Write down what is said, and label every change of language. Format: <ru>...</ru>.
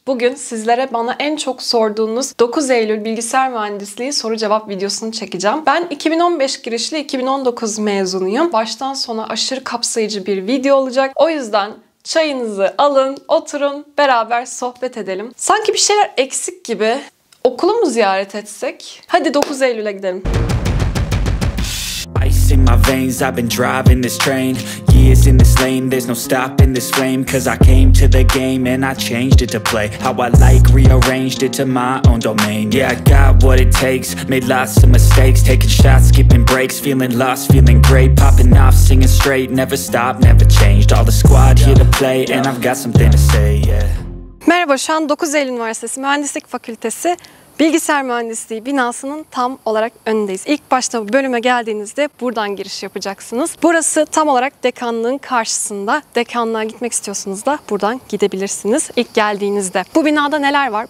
<tr>Bugün sizlere bana en çok sorduğunuz 9 Eylül Bilgisayar Mühendisliği soru cevap videosunu çekeceğim. Ben 2015 girişli 2019 mezunuyum. Baştan sona aşırı kapsayıcı bir video olacak. O yüzden çayınızı alın, oturun, beraber sohbet edelim. Sanki bir şeyler eksik gibi. Okulu mu ziyaret etsek? Hadi 9 Eylül'e gidelim.</tr> <en>Ice in my veins, I've been driving this train. Years in this lane, there's no stopping this flame. Cause I came to the game and I changed it to play. How I like, rearranged it to my own domain. Yeah, I got what it takes, made lots of mistakes. Taking shots, skipping breaks, feeling lost, feeling great. Popping off, singing straight, never stopped, never changed. All the squad here to play and I've got something to say, yeah.</en> <tr>Merhaba, şu an 9 Eylül Üniversitesi Mühendislik Fakültesi Bilgisayar Mühendisliği binasının tam olarak önündeyiz. İlk başta bu bölüme geldiğinizde buradan giriş yapacaksınız. Burası tam olarak dekanlığın karşısında. Dekanlığa gitmek istiyorsunuz da buradan gidebilirsiniz ilk geldiğinizde. Bu binada neler var?</tr>